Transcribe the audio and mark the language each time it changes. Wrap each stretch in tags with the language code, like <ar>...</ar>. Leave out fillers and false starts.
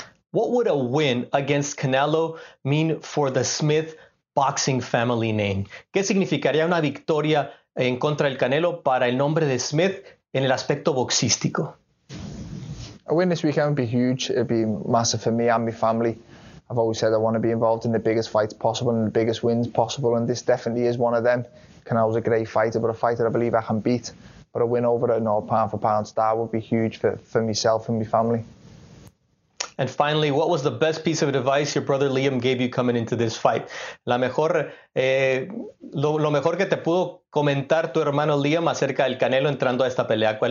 <en>What would a win against Canelo mean for the Smith boxing family name?</en> <es>¿Qué significaría una victoria en contra del Canelo para el nombre de Smith en el aspecto boxístico?</es> <en>A win this weekend would be huge. It'd be massive for me and my family. I've always said I want to be involved in the biggest fights possible and the biggest wins possible, and this definitely is one of them. Canelo's a great fighter, but a fighter I believe I can beat. But a win over a pound-for-pound star would be huge for myself and my family. And finally, what was the best piece of advice your brother Liam gave you coming into this fight?</en> <es>La mejor, lo mejor que te pudo comentar tu hermano Liam acerca del Canelo entrando a esta pelea.</es>